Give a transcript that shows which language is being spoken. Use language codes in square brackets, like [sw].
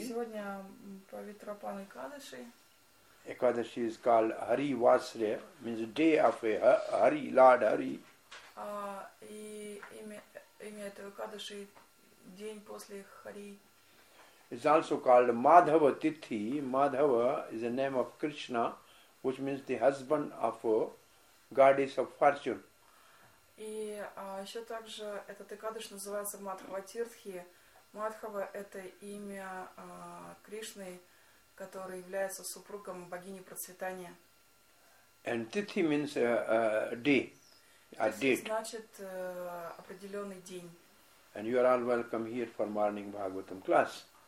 [ru] Сегодня Павитра Пан Экадаши. [en] Ekadashi is called Hari Vasre, means day of a Hari, Lord Hari. [ru] И имя этого Экадаши день после Хари. [en] It's also called Madhava Tithi. Madhava is the name of Krishna, which means the husband of Goddess of Fortune. [ru] И еще также этот Экадаш называется Мадхава Тирхи. Мадхава – это имя Кришны, который является супругом богини процветания. [en] And Tithi means day, a date. [ru] Тихи значит определенный день. [en] And you are all welcome here for morning Bhagavatam class.